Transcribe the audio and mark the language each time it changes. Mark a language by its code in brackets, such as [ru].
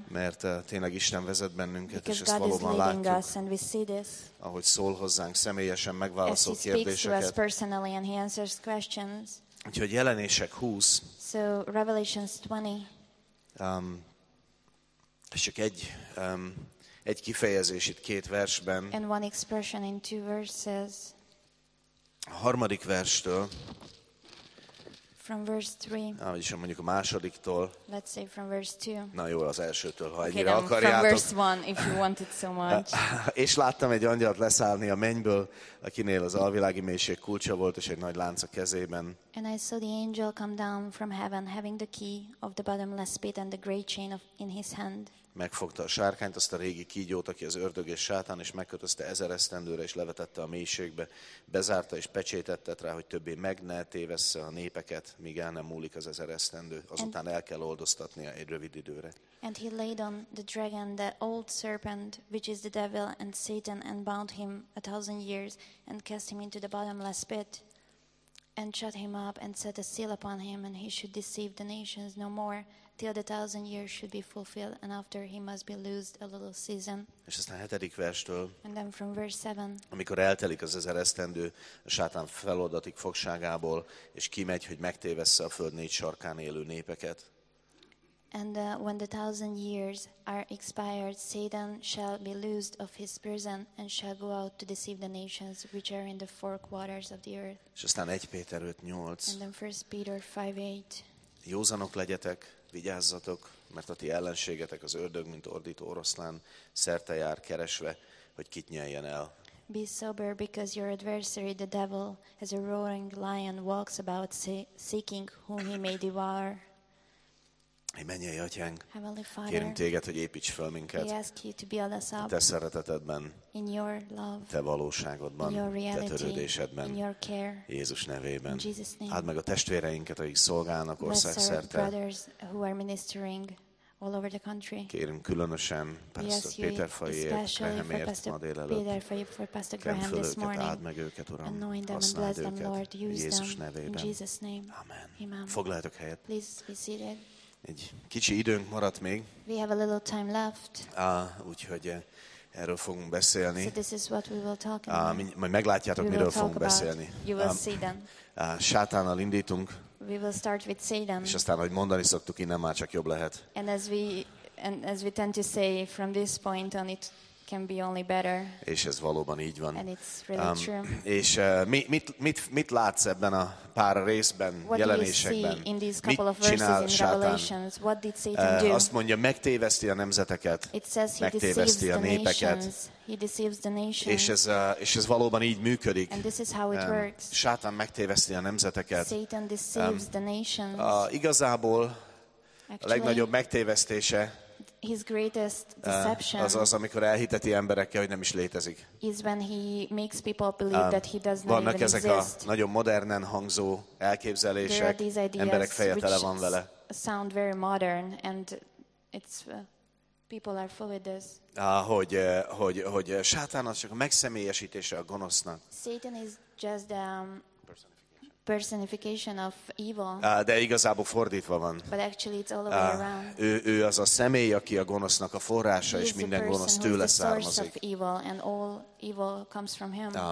[hu] Mert tényleg Isten vezet bennünket, [en] because [hu] és ezt valóban látjuk. [en] Us and we see this. [hu] Ahogy szól hozzánk, személyesen megválaszol kérdéseket. [en] As he speaks to us personally and he answers questions. [hu] Úgyhogy Jelenések 20. [en] So, Revelations 20. [hu] És csak egy kifejezés itt két versben. [en] And one expression in two verses. [hu] A harmadik verstől. [en] From verse 3. [hu] Vagyis mondjuk a másodiktól. [en] Let's say from verse 2. [hu] Na jó, az elsőtől, ha [en] okay, [hu] ennyire akarjátok. [en] From verse 1, if you want it so much. [hu] És láttam egy angyalt leszállni a mennyből, akinél az alvilági mélység kulcsa volt, és egy nagy lánc a kezében. [en] And I saw the angel come down from heaven, having the key of the bottomless pit and the great chain in his hand. [hu] Megfogta a sárkányt, azt a régi kígyót, aki az ördög és sátán, és megkötözte 1000 esztendőre, és levetette a mélységbe, bezárta és pecsétettet rá, hogy többé meg ne tévessze a népeket, míg el nem múlik az 1000 esztendő. Azután el kell oldoztatnia egy rövid időre. [en] And he laid on the dragon, the old serpent, which is the devil and Satan, and bound him 1000 years, and cast him into the bottomless pit, and shut him up, and set a seal upon him, and he should deceive the nations no more, till the 1000 years should be fulfilled, and after he must be loosed a little season. [hu] És aztán a hetedik verstől, [en] and then from verse 7, [hu] amikor eltelik az 1000 esztendő, a sátán feloldatik fogságából, és kimegy, hogy megtévessze a föld 4 sarkán élő népeket. [en] And when the 1000 years are expired, Satan shall be loosed of his prison and shall go out to deceive the nations which are in the 4 quarters of the earth. [hu] És aztán 1 Péter 5:8. [en] And then 1 Peter 5:8. [hu] Józanok legyetek, vigyázzatok, mert a ti ellenségetek az ördög, mint ordító oroszlán, szerte jár keresve, hogy kit nyeljen el. [en] Be sober, because your adversary, the devil, as a roaring lion, walks about seeking whom he may devour. [hu] Mennyei Atyánk, kérünk téged, hogy építs föl minket te szeretetedben, [en] in your love, [hu] te valóságodban, [en] in your reality, [hu] te törődésedben, [en] in your care, [hu] Jézus nevében. [en] In Jesus name. [hu] Áld meg a testvéreinket, akik szolgálnak országszerte. [en] Brothers who are ministering all over the country. [hu] Kérünk különösen Pásztor Péter Fajért, Nehemért ma délelőtt. Kenfölőket, áld meg őket, Uram, használd őket, [en] Lord, [hu] Jézus nevében. [en] In Jesus name. [hu] Amen. Amen. Foglaljatok helyet. [en] Please be seated. [hu] Egy kicsi időnk maradt még. [en] We have a little time left. [hu] Úgyhogy erről fogunk beszélni. [en] So this is what we will talk about. [hu] Majd meglátjátok, [en] we [hu] miről fogunk [en] about. [hu] Beszélni. [en] You will see them. [hu] Sátánnal indítunk. [en] We will start with Satan. [hu] És aztán, hogy mondani szoktuk, innen már csak jobb lehet. [en] And as we tend to say, from this point on it can be only better. [hu] És ez valóban így van. [en] And it's really true. [hu] És mit látsz ebben a pár részben, [en] what [hu] jelenésekben? [en] What do you see in these couple of verses in Revelations? What did Satan do? [hu] Azt mondja, megtéveszti a nemzeteket, megtéveszti a népeket. [en] He deceives the nations. [hu] És ez valóban így működik. [en] And this is how it works. [hu] Sátán megtéveszti a nemzeteket. [en] Satan deceives the nations. [hu] Igazából a legnagyobb megtévesztése [en] his greatest deception [hu] az, amikor elhiteti emberekkel, hogy nem is létezik. [en] Is when he makes people believe that he does not exist. [hu] Vannak ezek a nagyon modernen hangzó elképzelések, emberek feje tele van vele. [en] Sound very modern and it's people are full of this. [hu] Hogy Sátán az csak a megszemélyesítése a gonosznak. [en] Satan is just the personification of evil. [hu] De igazából fordítva van. [en] But actually it's all the way around. [hu] Ő az a személy, aki a gonosznak a forrása, [en] he [hu] és minden gonosz tőle származik. [en] Evil, and all evil comes from him.